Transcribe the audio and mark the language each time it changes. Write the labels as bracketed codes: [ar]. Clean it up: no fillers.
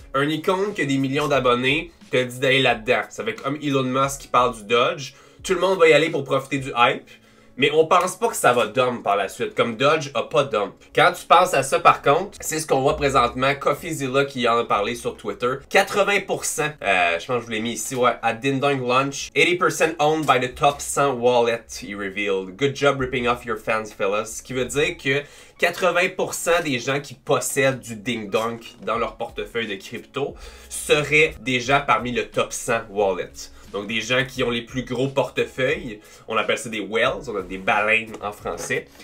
[fr] Un compte que des millions d'abonnés te dit d'aller là-dedans. Ça fait comme Elon Musk qui parle du Doge. Tout le monde va y aller pour profiter du hype, mais on pense pas que ça va dump par la suite, comme Doge a pas dump. Quand tu penses à ça par contre, c'est ce qu'on voit présentement, CoffeeZilla qui en a parlé sur Twitter. 80%, je pense que je vous l'ai mis ici, ouais, à Ding Dong Launch. [en] 80% owned by the top 100 wallet, he revealed. Good job ripping off your fans, fellas. [fr] Ce qui veut dire que 80% des gens qui possèdent du Ding Dong dans leur portefeuille de crypto seraient déjà parmi le top 100 wallet. Donc des gens qui ont les plus gros portefeuilles, on appelle ça des whales, on a des baleines en français.